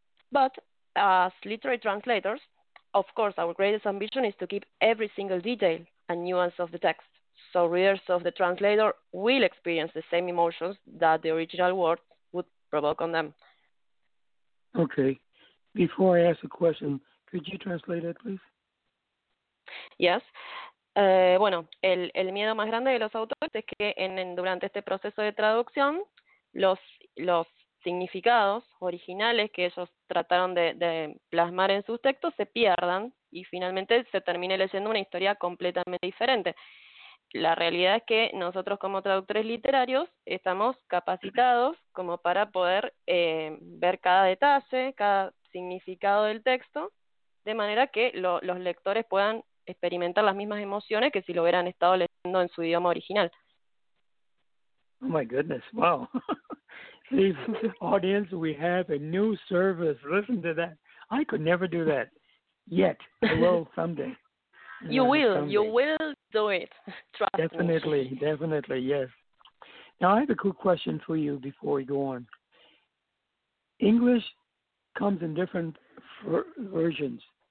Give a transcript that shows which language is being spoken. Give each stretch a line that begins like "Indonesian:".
English: But as literary translators, of course, our greatest ambition is to keep every single detail and nuance of the text, so readers of the translator will experience the same emotions that the original words would provoke on them. Okay. Before I ask a question, could you translate it, please? Yes.
Spanish: Bueno, el miedo más grande de los autores es que durante este proceso de traducción, los significados originales que ellos trataron de plasmar en sus textos se pierdan y finalmente se termine leyendo una historia completamente diferente. La realidad es que nosotros como traductores literarios estamos capacitados como para poder ver cada detalle, cada significado del texto, de manera que los lectores puedan experimentar las mismas emociones que si lo hubieran estado leyendo en su idioma original.
English: Oh my goodness, wow. This audience, we have a new service. Listen to that. I could never do that yet. I will someday. You will. Someday. You will do it. Trust definitely, me. Definitely, yes. Now, I have a quick question for you before we go on. English comes in different versions.